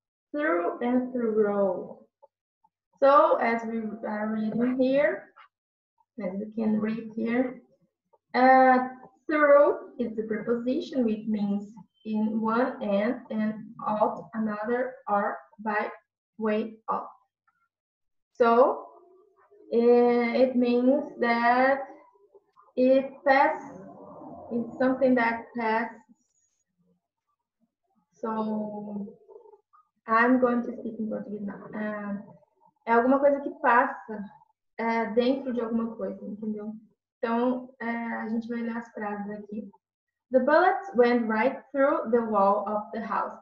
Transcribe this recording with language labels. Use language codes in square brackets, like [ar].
[en] Through and through. So as we are reading here, as you can read here, through is the preposition, which means in one end and out another or by way of. So it means that it passes, it's something that passes. So I'm going to speak in Portuguese now. [pt] É alguma coisa que passa dentro de alguma coisa, entendeu? Então a gente vai ler as frases aqui. [en] The bullets went right through the wall of the house.